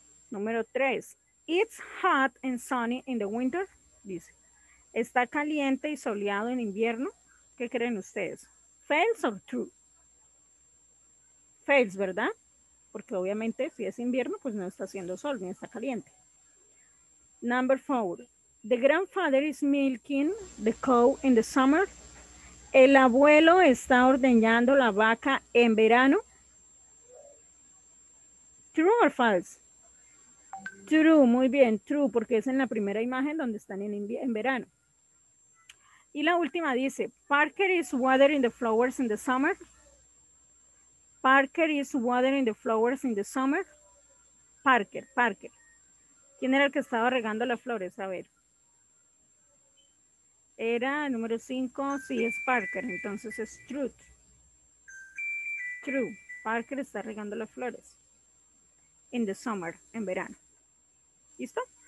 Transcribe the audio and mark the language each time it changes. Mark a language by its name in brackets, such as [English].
[Spanish] Número 3. [English] It's hot and sunny in the winter. [Spanish] Dice. Está caliente y soleado en invierno. ¿Qué creen ustedes? [English] ¿False or true? False, [Spanish] ¿verdad? Porque obviamente si es invierno, pues no está haciendo sol ni está caliente. [English] Number 4. The grandfather is milking the cow in the summer. [Spanish] El abuelo está ordeñando la vaca en verano. [English] True or false? True, [Spanish] muy bien, true, porque es en la primera imagen donde están en verano. Y la última dice, [English] Parker is watering the flowers in the summer. Parker is watering the flowers in the summer. Parker, Parker. [Spanish] ¿Quién era el que estaba regando las flores? A ver. Era número 5, sí, es Parker, entonces es true. True, Parker está regando las flores. [English] In the summer, [Spanish] en verano. ¿Listo?